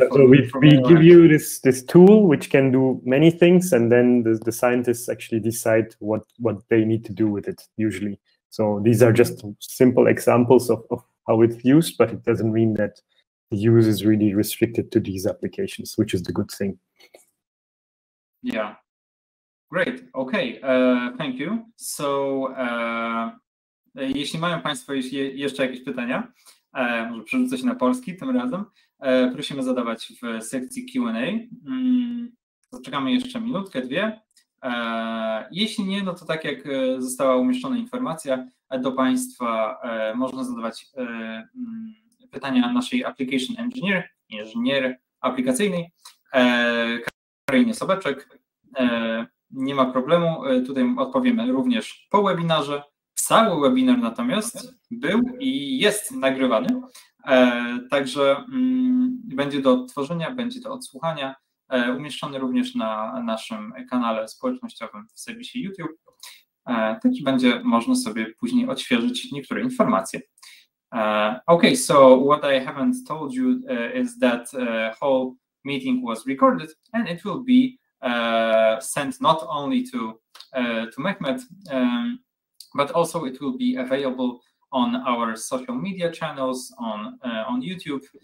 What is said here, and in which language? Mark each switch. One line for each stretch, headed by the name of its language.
English: So we give you this tool which can do many things, and then the scientists actually decide what they need to do with it usually. So these are just simple examples of how it's used, but it doesn't mean that the use is really restricted to these applications, which is the good thing. Yeah. Great, okay, thank you.
Polish: So, jeśli mają Państwo jeszcze jakieś pytania, może przerzucę się na polski tym razem, prosimy zadawać w sekcji Q&A. Zaczekamy jeszcze minutkę, dwie. Jeśli nie, no to tak jak została umieszczona informacja do Państwa, można zadawać pytania naszej application engineer, inżynier aplikacyjnej, Karolinie Sobeczek. Nie ma problemu, tutaj odpowiemy również po webinarze. Cały webinar natomiast był i jest nagrywany, także będzie do odtworzenia, będzie do odsłuchania, umieszczony również na naszym kanale społecznościowym w serwisie YouTube. Też będzie można sobie później odświeżyć niektóre informacje.
English: Okay, so what I haven't told you is that whole meeting was recorded and it will be sent not only to Mehmet, but also it will be available on our social media channels on YouTube.